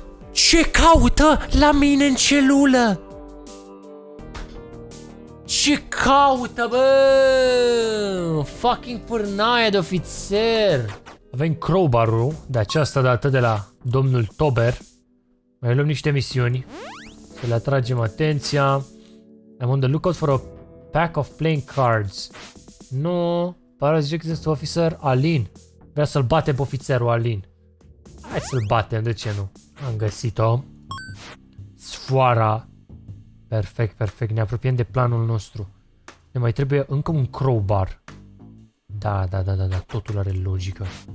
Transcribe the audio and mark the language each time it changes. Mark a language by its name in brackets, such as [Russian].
[Romanian] Ce caută la mine în celulă? Ce caută, bă? Fucking pârnaie de ofițer! Avem crowbar-ul de această dată de la domnul Tober. Mai luăm niște misiuni. Să le atragem atenția. [English] I'm on the lookout for a pack of playing cards. [Romanian] Nu, pare zice că este ofițer Alin. Vrea să-l batem pe ofițerul Alin. Hai să-l batem, de ce nu? Am găsit-o. Sfoara. Perfect, perfect. Ne apropiem de planul nostru. Ne mai trebuie încă un crowbar. Da. Totul are logică.